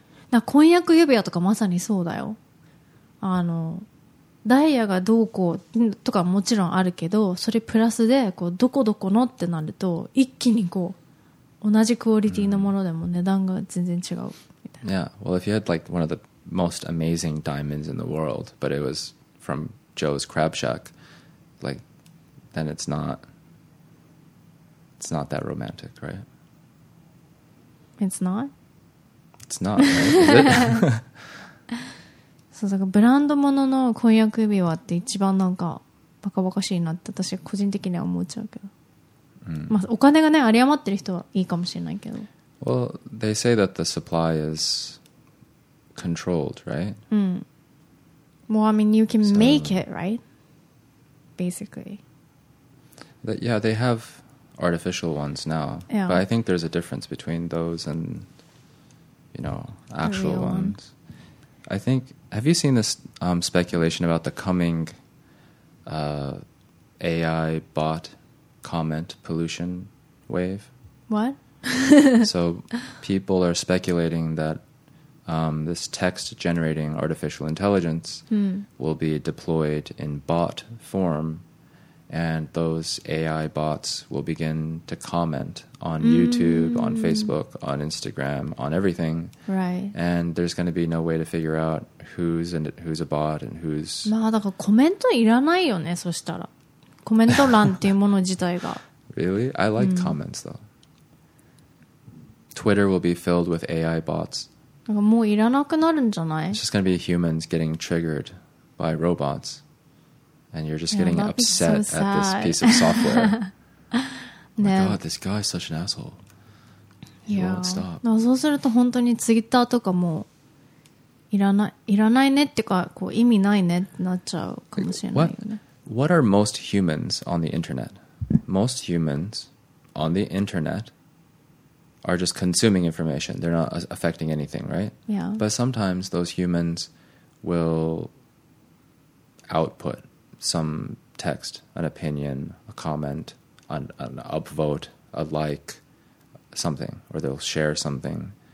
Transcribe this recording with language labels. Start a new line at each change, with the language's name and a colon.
Japanese: なんか婚約指輪とかまさにそうだよ。あのダイヤがどうこうとかもちろんあるけど、それプラスでこうどこどこのってなると一気にこう同じクオリティのものでも値段が全然違うみたいな。
English: Mm. Yeah. Well, if you had like one of the most amazing diamonds in the world, but it was from Joe's Crab Shack, like then it's not. It's not that romantic, right? It's not? It's not, right? Is it? So, like,
Japanese: ブランド物の婚約指輪って一番なんかバカバカしいなって私個人的には思っちゃうけど。 Mm. まあ、お金がね、あり余ってる人はいいかもしれないけど。
English: Well, they say that the supply is controlled, right? Mm. Well, I mean, you can make it, right? Basically. But, yeah, they have... artificial ones now. Yeah. But I think there's a difference between those and, you know, actual ones. I think, have you seen this speculation about the coming AI bot comment pollution wave? What? So people are speculating that this text generating artificial intelligence will be deployed in bot form. And those AI bots will begin to comment on YouTube, on Facebook, on Instagram, on everything. Right. And there's going to be no way to figure out who's a bot and who's...
Japanese: まあだからコメントいらないよね、そしたら。コメント欄っていうもの自体が。
English: Really? I like comments though. Twitter will be filled with AI bots.
Japanese: なんかもういらなくなるんじゃない?
English: It's just going to be humans getting triggered by robots. And you're just getting upset at this piece of software.
Japanese: ね、
English: My God, this guy is such an asshole. He won't stop. Yeah.
Japanese: そうすると本当にツイッターとかもいらないねっていうかこう意味ないねってなっちゃうかもしれないよね。
English: What are most humans on the internet? Most humans on the internet are just consuming information. They're not affecting anything, right? Yeah. But sometimes those humans will output. Some text, an opinion, a comment, an upvote, a like, something, or they'll share something.